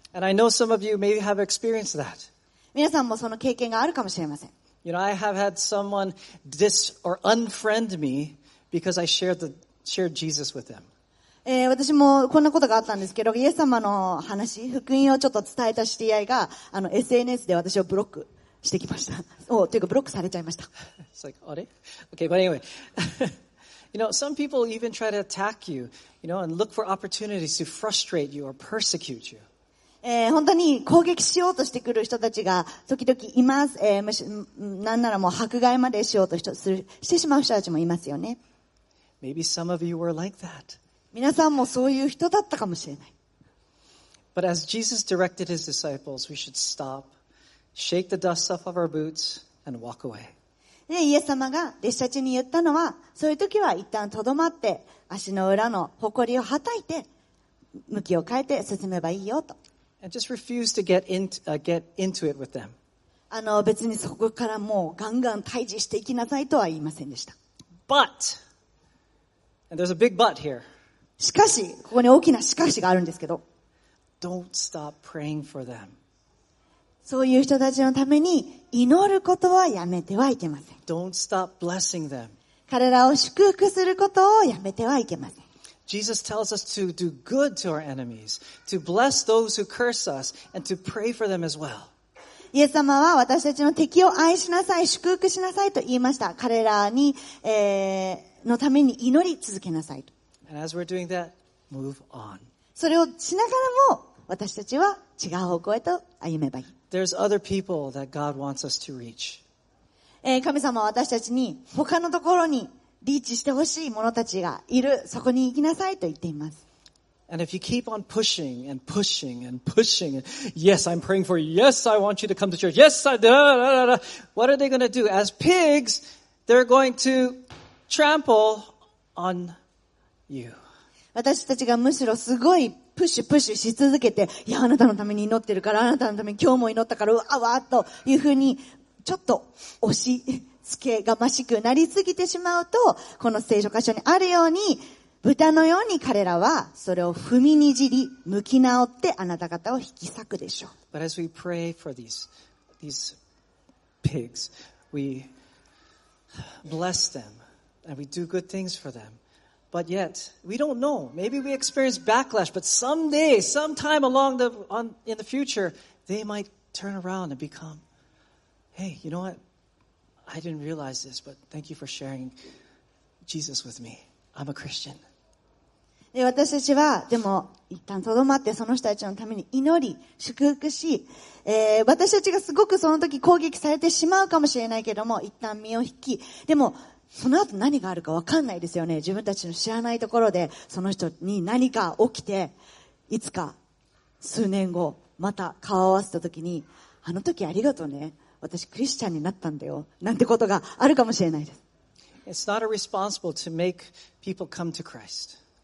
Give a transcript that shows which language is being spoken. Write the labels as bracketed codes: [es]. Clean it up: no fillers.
[en] And I know some of you may have experienced that. [ja] 皆さんもその経験があるかもしれません。 [en] You know, I have had someone dis or unfriend me because I shared Jesus with them. [ja] 私もこんなことがあったんですけど、イエス様の話、福音をちょっと伝えた知り合いが、SNS で私をブロック。してきました。お、というかブロックされちゃいました。 [en] It's like, [ja] あれ? [en] Okay, but anyway. You know, some people even try to attack you, you know, and look for opportunities to frustrate you or persecute you. [ja] 本当に攻撃しようとしてくる人たちが時々います。なんならもう迫害までしようとしてしまう人たちもいますよね。 [en] Maybe some of you were like that. [ja] 皆さんもそういう人だったかもしれない。 [en] But as Jesus directed his disciples, we should stop.Shake the dust off of our boots and walk away. [ja] ね、イエス様が弟子たちに言ったのは、そういう時は一旦とどまって足の裏の埃をはたいて向きを変えて進めばいいよと。 [en] And just refuse to get into it with them. [ja] 別にそこからもうガンガン退治していきなさいとは言いませんでした。 [en] But, and there's a big but here. [ja] しかし、ここに大きなしかしがあるんですけど。 [en] Don't stop praying for them. [ja] そういう人たちのために祈ることはやめてはいけません。 [en] Don't stop blessing them. [ja] 彼らを祝福することをやめてはいけません。 [en] Jesus tells us to do good to our enemies, to bless those who curse us, and to pray for them as well. [ja] イエス様は私たちの敵を愛しなさい、祝福しなさいと言いました。彼らに、のために祈り続けなさいと。 [en] And as we're doing that, move on. [ja] それをしながらも私たちは違う方向へと歩めばいい。 [en] There's other people that God wants us to reach. [ja] 神様は私たちに他のところにリーチしてほしい者たちがいる、そこに行きなさいと言っています。 [en] And if you keep on pushing and pushing and pushing and, Yes, I'm praying for you. Yes, I want you to come to church. Yes, I da, da, da, da. What are they going to do? As pigs, they're going to trample on you. [ja] 私たちがむしろすごいプッシュプッシュし続けて、いや、あなたのために祈ってるから、あなたのために今日も祈ったから、うわわというふうにちょっと押しつけがましくなりすぎてしまうと、この聖書箇所にあるように豚のように彼らはそれを踏みにじり、向き直ってあなた方を引き裂くでしょう。 [en] But as we pray for these pigs, we bless them and we do good things for them. But yet, we don't know. Maybe we experience backlash, but someday, sometime along the, on, in the future, they might turn around and become, hey, you know what? I didn't realize this, but thank you for sharing Jesus with me. I'm a Christian. [ja] 私たちはでも一旦とどまってその人たちのために祈り祝福し、私たちがすごくその時攻撃されてしまうかもしれないけども、一旦身を引き、でもその後何があるか分かんないですよね。自分たちの知らないところでその人に何か起きて、いつか数年後また顔を合わせた時に、あの時ありがとうね、私クリスチャンになったんだよ、なんてことがあるかもしれないです。 [en] It's not a responsible to make people come to Christ.